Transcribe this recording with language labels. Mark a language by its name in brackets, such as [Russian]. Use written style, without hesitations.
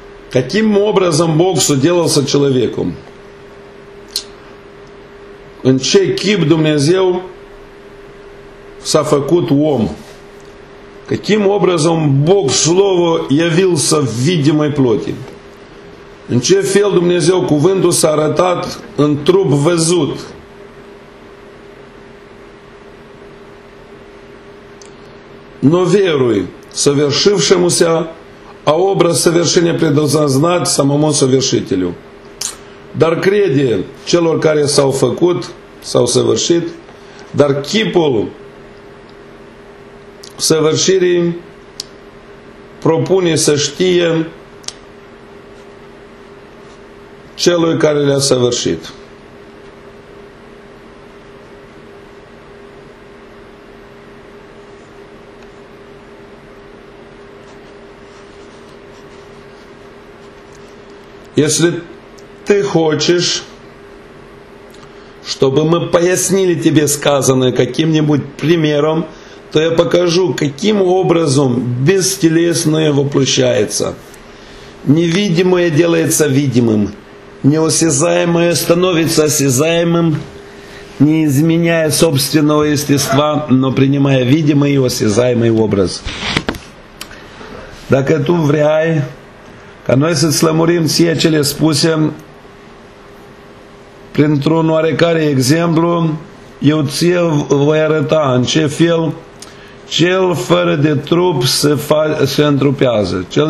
[Russian] Каким образом Бог соделался человеком? [Romanian] În ce chip Dumnezeu s-a făcut om? [Russian] Каким образом Бог слово явился в видимой плоти? [Romanian] În ce fel Dumnezeu cuvântul s-a arătat în trup văzut? [Russian] Но веруй совершившемуся, а образ совершения предназначен самому совершителю. [Romanian] dar crede celor care s-au făcut, s-au săvârșit, dar chipul săvârșirii propune să știe celui care le-a săvârșit. [Russian] Если ты хочешь, чтобы мы пояснили тебе сказанное каким-нибудь примером, то я покажу, каким образом бестелесное воплощается. Невидимое делается видимым, неосязаемое становится осязаемым, не изменяя собственного естества, но принимая видимый и осязаемый образ. [Romanian] Dacă tu vrei ca noi să-ți lămurim ție ce le spuse printr-un oarecare exemplu, eu ție voi arăta în ce fel cel fără de trup se întrupează.